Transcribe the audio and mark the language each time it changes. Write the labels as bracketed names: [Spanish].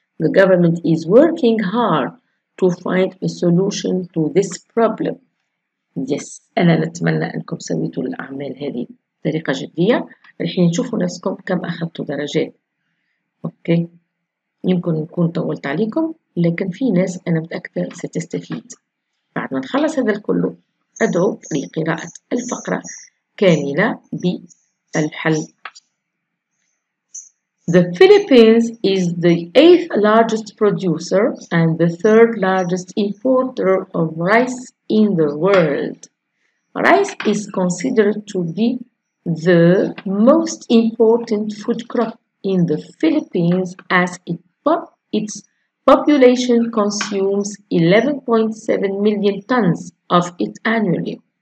[English] The government is working hard to find a solution to this problem. Yes. [Arabic] أنا نتمنى أنكم سويتوا الأعمال هذه بطريقة جدية. الحين نشوفوا نفسكم كم أخذتوا درجات. أوكي. يمكن نكون طولت عليكم. لكن في ناس أنا متأكدة ستستفيد. بعد ما نخلص هذا الكل أدعو لقراءة الفقرة كاملة بالحل. [English] The Philippines is the 8th largest producer and the 3rd largest importer of rice in the world. Rice is considered to be the most important food crop in the Philippines as its population consumes 11.7 million tons of it annually.